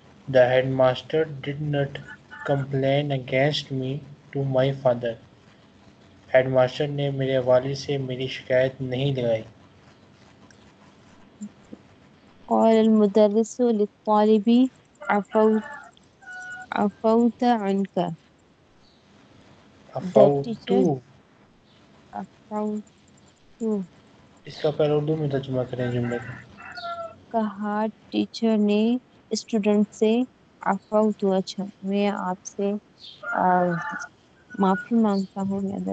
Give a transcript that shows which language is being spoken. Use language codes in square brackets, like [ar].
[en] The headmaster did not complain against me to my father. [ur] Headmaster نے میرے والد سے میری شکایت نہیں لگائی. [ar] قال المدرس للطالب عفوت عنك. عفوت عفوت [ur] اس کا پہلے اردو میں ترجمہ کریں جملے کا. کہا ٹیچر نے اسٹوڈنٹ سے عفو تو اچھا میں آپ سے معافی مانگتا ہوں.